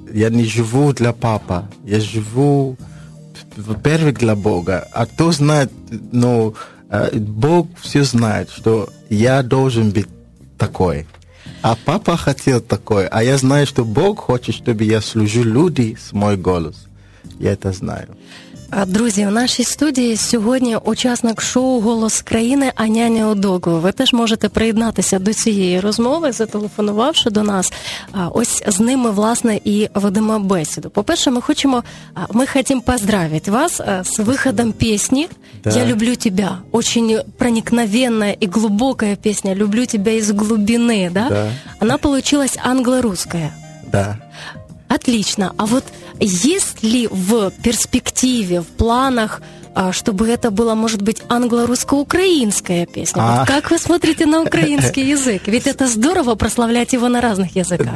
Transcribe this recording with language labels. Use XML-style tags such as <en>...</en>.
<ru>Я не живу для папа. Я живу, во-первых, для Бога. А кто знает, ну, Бог все знает, что я должен быть такой. А папа хотел такое, а я знаю, что Бог хочет, чтобы я служил людям с мой голос. Я это знаю.</ru> <uk>Друзі, в нашій студії сьогодні учасник шоу «Голос країни» Аня Неодогова. Ви теж можете приєднатися до цієї розмови, зателефонувавши до нас. Ось з ними, власне, і ведемо бесіду. По-перше, ми хочемо поздравити вас з виходом пісні «Я люблю тебя».</uk> <ru>Очень проникновенна</ru> <uk>і глибока пісня «Люблю тебя із глибини».</uk> <ru>Да? Да. Вона получилась англо-русская. Да. Отлично. А вот есть ли в перспективе, в планах, чтобы это было, может быть, англо-русско-украинская песня? Вот как вы смотрите на украинский язык? Ведь это здорово прославлять его на разных языках.</ru>